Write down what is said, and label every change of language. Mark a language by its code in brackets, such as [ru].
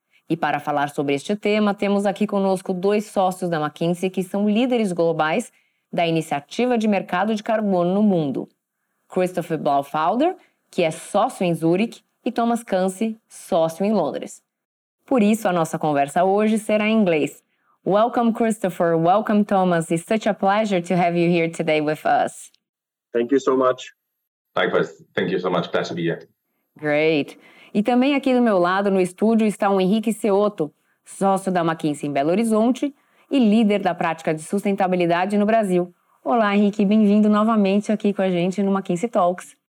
[pt] E para falar sobre este tema, temos aqui conosco 2 sócios da McKinsey que são líderes globais da iniciativa de mercado de carbono no mundo. Christopher Blaufelder, que é sócio em Zurich, e Thomas Kanse, sócio em Londres. Por isso, a nossa conversa hoje será em inglês. [en] Welcome, Christopher. Welcome, Thomas. It's such a pleasure to have you here today with us. Thank you so much. Likewise. Thank you so much. Glad to be here. Great. [pt] E também aqui do meu lado, no estúdio, está o Henrique Seoto, sócio da McKinsey em Belo Horizonte e líder da prática de sustentabilidade no Brasil. Olá, Henrique. Bem-vindo novamente aqui com a gente no McKinsey Talks.